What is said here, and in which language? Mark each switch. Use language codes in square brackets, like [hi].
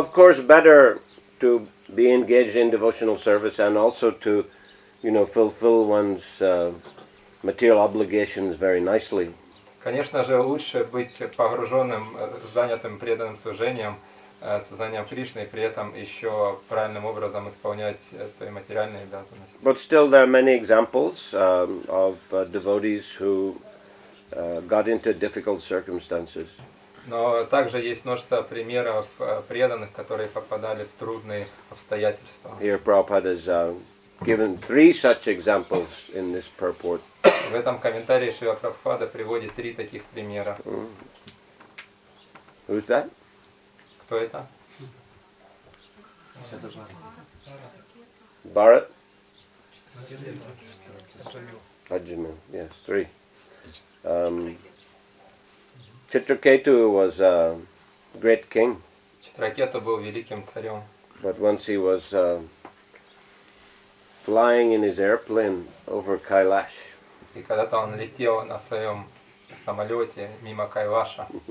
[en] Of course, better to be engaged in devotional service and also to, fulfill one's material obligations very nicely. [ru] Конечно же, лучше быть погруженным, занятым преданным служением, сознанием Кришны, при этом еще правильным образом исполнять свои материальные обязанности. [en] But still there are many examples of devotees who got into difficult circumstances. [ru] Но также есть множество примеров преданных, которые попадали в трудные обстоятельства. [en] Here Prabhupada has given three such examples in this purport. [ru] В этом комментарии Шрила Прабхупада приводит три таких примера. [en] Who's that? [ru] Кто это? [en] Bharat? Ajami, yes, three. Chitraketu was a great king. [ru] Chitraketu был великим царем. [en] But once he was flying in his airplane over Kailash. [ru] И когда-то он летел на своем самолете мимо Кайлаша.